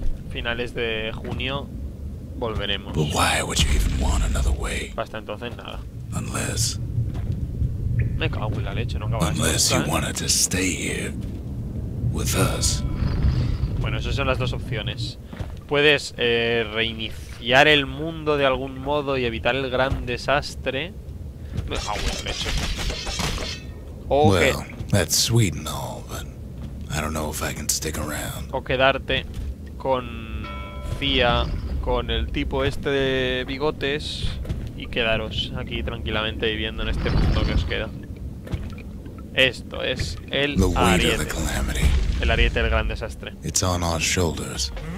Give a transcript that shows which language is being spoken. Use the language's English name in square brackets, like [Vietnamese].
[Spanish] Finales de junio volveremos. [English] But why would you even want another way? [Spanish] Hasta entonces nada. [English] Unless. [Spanish] Me cago en la leche, no acabas. [English] Unless you wanted to stay here with us. [Spanish] Bueno, esas son las dos opciones. Puedes reiniciar. Guiar el mundo de algún modo y evitar el gran desastre. Me cago en la leche. [English] Well, that's sweet and all, but I don't know if I can stick around. [Spanish] O quedarte con Cía, con el tipo este de bigotes y quedaros aquí tranquilamente viviendo en este mundo que os queda. Esto es el ariete. El ariete del gran desastre. [English] It's on our shoulders.